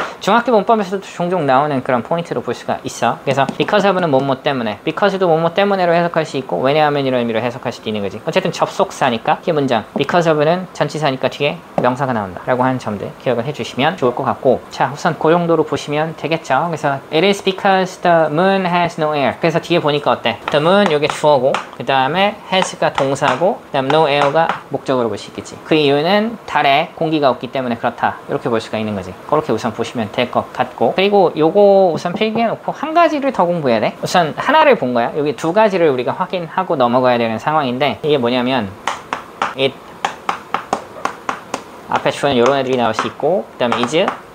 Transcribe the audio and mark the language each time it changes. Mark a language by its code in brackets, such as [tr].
[ko] 중학교 문법에서도 종종 나오는 그런 포인트로 볼 수가 있어. 그래서 because of는 뭐뭐 때문에 because도 뭐뭐 때문에로 해석할 수 있고 왜냐하면 이런 의미로 해석할 수도 있는 거지. 어쨌든 접속사니까 뒤에 문장 because of는 전치사니까 뒤에 명사가 나온다 라고 하는 점들 기억을 해주시면 좋을 것 같고 자 우선 그 정도로 보시면 되겠죠. [en] 그래서 it is because the moon has no air. [ko] 그래서 뒤에 보니까 어때? the moon 이게 주어고 그 다음에 has가 동사고 그 다음 no air가 목적으로 볼 수 있겠지. 그 이유는 달에 공기가 없기 때문에 그렇다 이렇게 볼 수가 있는 거지. 그렇게 우선 보시면 될 것 같고 그리고 요거 우선 필기해놓고 한 가지를 더 공부해야 돼. 우선 하나를 본 거야. 여기 두 가지를 우리가 확인하고 넘어가야 되는 상황인데 이게 뭐냐면 it 앞에 주어는 요런 애들이 나올 수 있고 그 다음에 is